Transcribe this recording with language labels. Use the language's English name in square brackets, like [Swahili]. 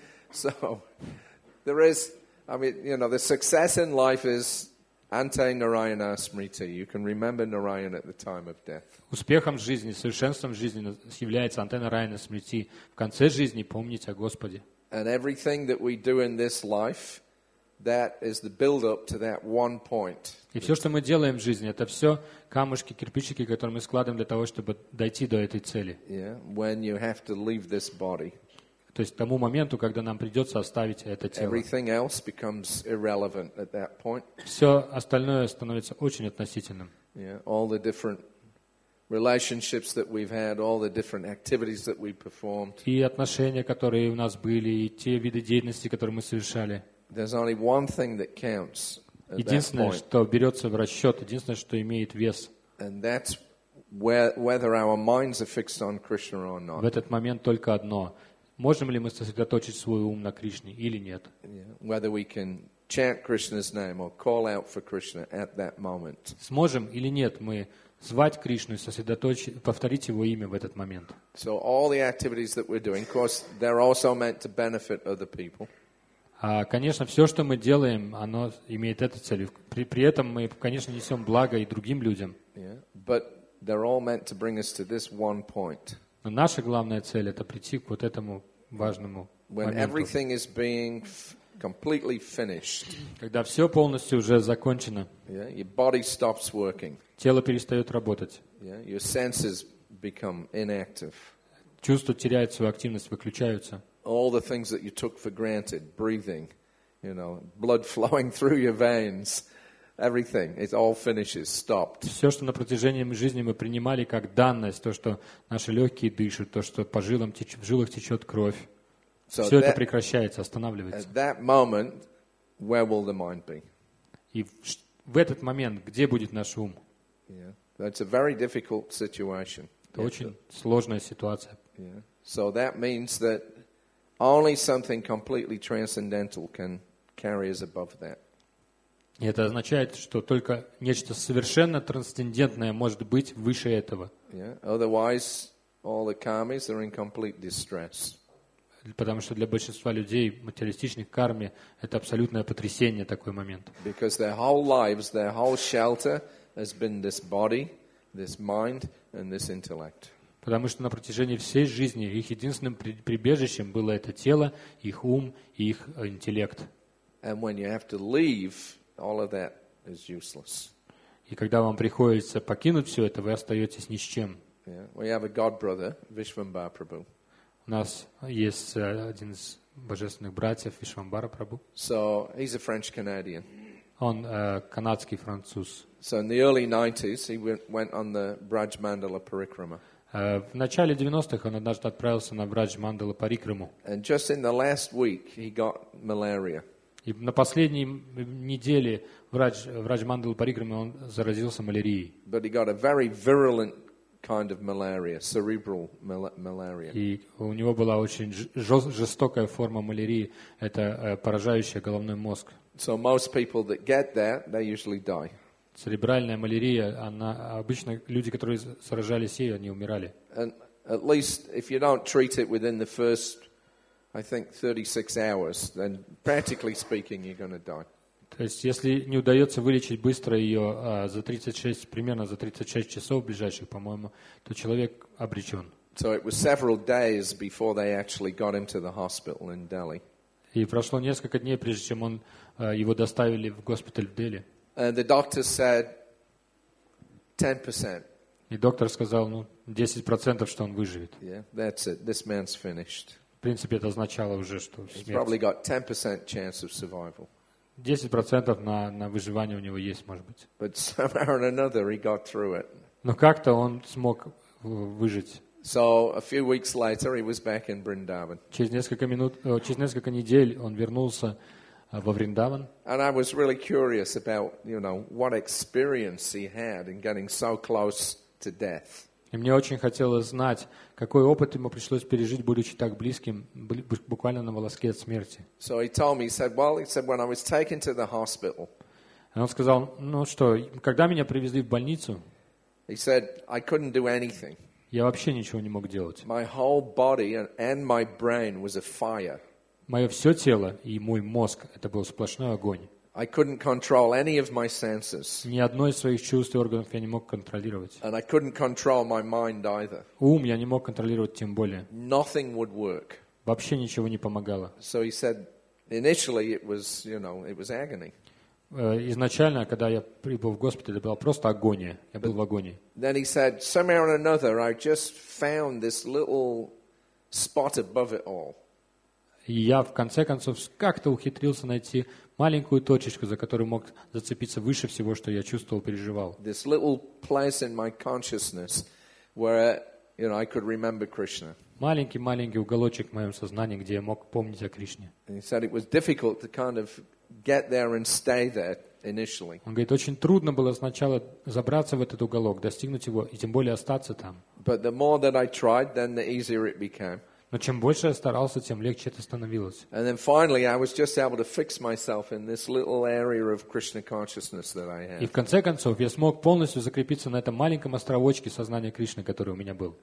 [English] So, there is, I mean, you know, the success in life is [Sanskrit] Ante Narayana Smriti. [English] You can remember Narayan at the time of death. [Russian] Успехом жизни, совершенством жизни является [Sanskrit] Ante Narayana Smriti. [Russian] В конце жизни помнить о Господе. [English] And everything that we do in this life, that is the build-up to that one point. [Russian] И все, что мы делаем в жизни, это все камушки, кирпичики, которые мы складываем для того, чтобы дойти до этой цели. [English] Yeah, when you have to leave this body. [Russian] То есть к тому моменту, когда нам придется оставить это тело. [English] Everything else becomes irrelevant at that point. [Russian] Все остальное становится очень относительным. [English] Yeah, all the different relationships that we've had, all the different activities that we performed. [Russian] И отношения, которые у нас были, и те виды деятельности, которые мы совершали. [English] There's only one thing that counts. [Russian] Единственное, что берется в расчет, единственное, что имеет вес. [English] And that's whether our minds are fixed on Krishna or not. [Russian] В этот момент только одно. Можем ли мы сосредоточить свой ум на Кришне или нет? [English] Whether we can chant Krishna's name or call out for Krishna at that moment. [Russian] Сможем или нет мы звать Кришну и сосредоточить, повторить его имя в этот момент? [English] So all the activities that we're doing, of course, they're also meant to benefit other people. [Russian] Конечно, все, что мы делаем, оно имеет эту цель. При этом мы, конечно, несем благо и другим людям. [English] But they're all meant to bring us to this one point. [Russian] Но наша главная цель — это прийти к вот этому важному моменту. [English] When everything is being completely finished. [Russian] Когда все полностью уже закончено. [English] Your body stops working. [Russian] Тело перестает работать. [English] Your senses become inactive. [Russian] Чувства теряют свою активность, выключаются. [English] All the things that you took for granted, breathing, you know, blood flowing through your veins, everything, it all finishes, stopped. [Russian] Все, что на протяжении жизни мы принимали как данность, то, что наши легкие дышат, то, что по жилам в жилах течет кровь, все это прекращается, останавливается. [English] At that moment, where will the mind be? [Russian] И в этот момент, где будет наш ум? [English] Yeah. That's a very difficult situation. [Russian] Это очень сложная ситуация. [English] Yeah. So that means that only something completely transcendental can carry us above that. [Russian] Это означает, что только нечто совершенно трансцендентное может быть выше этого. [English] Yeah. Otherwise, all the karmas are in complete distress. [Russian] Потому что для большинства людей материалистичных карми это абсолютное потрясение такой момент. [English] Because their whole lives, their whole shelter has been this body, this mind, and this intellect. [Russian] Потому что на протяжении всей жизни их единственным прибежищем было это тело, их ум и их интеллект. [English] And when you have to leave, all of that is useless. [Russian] И когда вам приходится покинуть все это, вы остаетесь ни с чем. [English] Yeah. We have a god brother, Vishvambhara Prabhu. [Russian] У нас есть один из божественных братьев, Вишвамбара Прабху. [English] So he's a French Canadian. [Russian] Он канадский француз. [English] So in the early 90s he went on the Braj Mandala Parikrama. [Russian] В начале 90-х он однажды отправился на Брадж Мандала Парикраму. [English] And just in the last week he got malaria. [Russian] И на последней неделе врач Мандала Парикрама он заразился малярией. [English] But he got a very virulent kind of malaria, cerebral malaria. [Russian] И у него была очень жестокая форма малярии, это поражающая головной мозг. [English] So most people that get that, they usually die. [Russian] Церебральная малярия, она обычно люди, которые сражались ею, они умирали. [English] And at least if you don't treat it within the first, I think, 36 hours, then practically speaking, you're going to die. [Russian] То есть, если не удается вылечить быстро ее за 36 часов ближайших, по-моему, то человек обречен. [English] So it was several days before they actually got him to the hospital in Delhi. [Russian] И прошло несколько дней, прежде чем его доставили в госпиталь в Дели. [English] And the doctor said 10%. [Russian] И доктор сказал, 10%, что он выживет. [English] Yeah, that's it. This man's finished. [Russian] В принципе, это означало уже, что смерть. [English] He's probably got 10% chance of survival. [Russian] 10% на выживание у него есть, может быть. [English] But somehow or another he got through it. [Russian] Но как-то он смог выжить. [English] So a few weeks later he was back in Vrindavan. [Russian] Через несколько недель он вернулся во Вриндаван. [English] And I was really curious about, you know, what experience he had in getting so close to death. [Russian] И мне очень хотелось знать, какой опыт ему пришлось пережить, будучи так близким, буквально на волоске от смерти. [English] So he told me, he said, when I was taken to the hospital. [Russian] И он сказал, когда меня привезли в больницу, [English] he said, I couldn't do anything. [Russian] Я вообще ничего не мог делать. [English] My whole body and my brain was a fire. [Russian] Мое все тело и мой мозг – это был сплошной огонь. [English] I couldn't control any of my senses. [Russian] Ни одно из своих чувств и органов я не мог контролировать. [English] And I couldn't control my mind either. [Russian] Ум я не мог контролировать тем более. [English] Nothing would work. [Russian] Вообще ничего не помогало. [English] So he said, initially it was, you know, it was agony. [Russian] Изначально, когда я прибыл в госпиталь, это была просто агония. Я был в агонии. [English] Then he said, somehow or another, I just found this little spot above it all. [Russian] И я, в конце концов, как-то ухитрился найти маленькую точечку, за которую мог зацепиться выше всего, что я чувствовал, переживал. [English] This little place in my consciousness where, you know, I could remember Krishna. [Russian] Маленький-маленький уголочек в моем сознании, где я мог помнить о Кришне. [English] He said it was difficult to kind of get there and stay there initially. [Russian] Он говорит, очень трудно было сначала забраться в этот уголок, достигнуть его и тем более остаться там. [English] But the more that I tried, then the easier it became. [Russian] Но чем больше я старался, тем легче это становилось. [English] And then finally I was just able to fix myself in this little area of Krishna consciousness that I had. [Russian] И в конце концов я смог полностью закрепиться на этом маленьком островочке сознания Кришны, который у меня был.